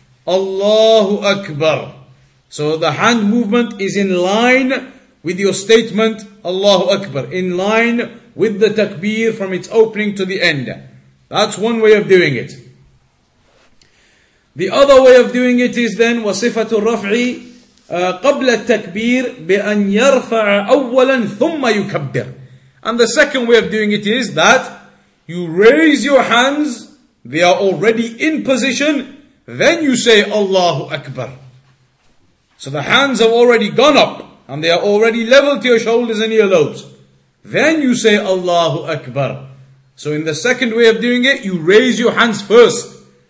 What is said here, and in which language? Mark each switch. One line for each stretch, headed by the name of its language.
English: Allahu Akbar. So the hand movement is in line with your statement, Allahu Akbar. In line with the takbir from its opening to the end. That's one way of doing it. The other way of doing it is then,
Arabic: وَصِفَةُ الرَّفْعِ قبل التكبير بأن يرفع أولا ثم يكبر.
English: And the second way of doing it is that you raise your hands, they are already in position, then you say Allahu Akbar. So the hands have already gone up and they are already level to your shoulders and your lobes. Then you say Allahu Akbar. So in the second way of doing it, you raise your hands first.